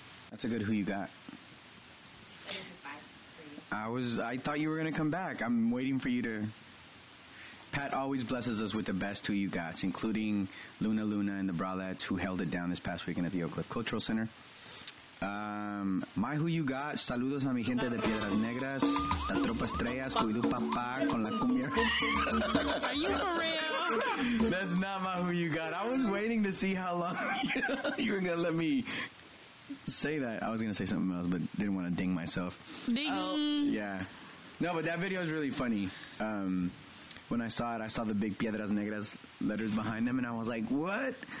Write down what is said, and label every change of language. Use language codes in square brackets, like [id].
[en] That's a good Who You Got. I thought you were going to come back. I'm waiting for you to... Pat always blesses us with the best Who You Gots, including Luna Luna and the Bralettes, who held it down this past weekend at the Oak Cliff Cultural Center. [es] My Who You Got, saludos a mi gente de Piedras Negras, la tropa estrellas, cuido papá con la cumbia. [en] Are you for real? That's not my Who You Got. I was waiting to see how long you were going to let me... say that. I was going to say something else, but didn't want to ding myself. Ding. Yeah. No, but that video is really funny. When I saw it, I saw the big Piedras Negras letters behind them, and I was like, what?